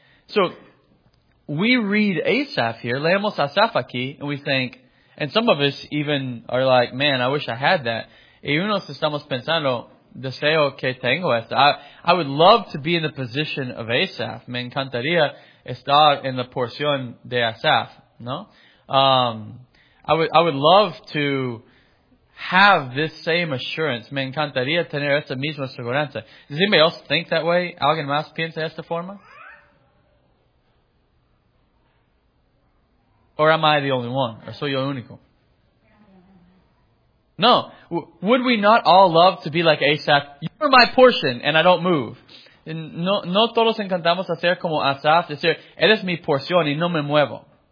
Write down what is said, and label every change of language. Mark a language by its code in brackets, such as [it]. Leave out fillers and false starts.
[en] So, we read Asaph here, [es] leemos Asaph aquí, [en] and we think, and some of us even are like, man, I wish I had that. [es] Y unos estamos pensando, deseo que tengo esto. [en] I would love to be in the position of Asaph. [es] Me encantaría estar en la porción de Asaph, ¿no? [en] I would love to have this same assurance. [es] Me encantaría tener esta misma seguridad. [en] Does anybody else think that way? [es] ¿Alguien más piensa esta forma? [en] Or am I the only one? [es] ¿O soy yo único? [en] No. Would we not all love to be like Asaph? You're my portion, and I don't move. [es] No todos encantamos hacer como Asaph, decir, eres mi porción y no me muevo.